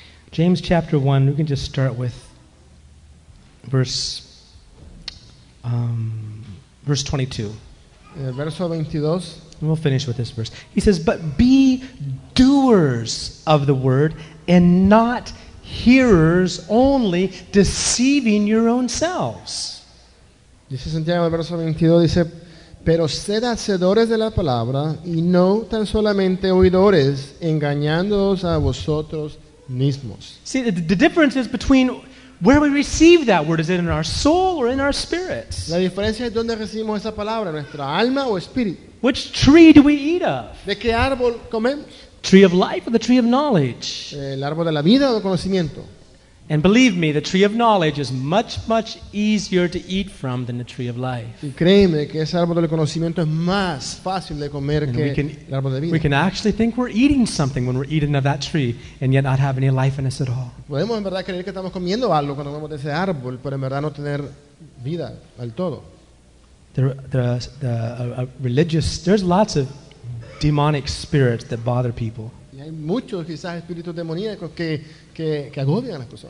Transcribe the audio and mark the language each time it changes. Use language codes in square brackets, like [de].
[en] James chapter 1, we can just start with verse 22. [es] Verso 22. [en] And we'll finish with this verse. He says, but be doers of the word and not hearers only, deceiving your own selves. [es] Dice Santiago, verso 22, dice, pero sed hacedores de la palabra y no tan solamente oidores, engañándoos a vosotros. [en] See, the difference is between where we receive that word. Is it in our soul or in our spirit? [es] La diferencia es donde recibimos esa palabra, nuestra alma o espíritu. [en] Which tree do we eat of? [es] ¿De qué árbol comemos? [en] Tree of life or the tree of knowledge? [es] El árbol de la vida o el conocimiento. [en] And believe me, the tree of knowledge is much, much easier to eat from than the tree of life. [es] Y créeme que ese árbol del conocimiento es más fácil de comer que el árbol de vida. [en] We can actually think we're eating something when we're eating of that tree and yet not have any life in us at all. [es] Podemos en verdad creer que estamos comiendo algo cuando comemos de ese árbol, pero en verdad no tener vida al todo. [en] There's lots of demonic spirits that bother people. [es] Hay muchos quizás espíritus demoníacos que agobian a las personas.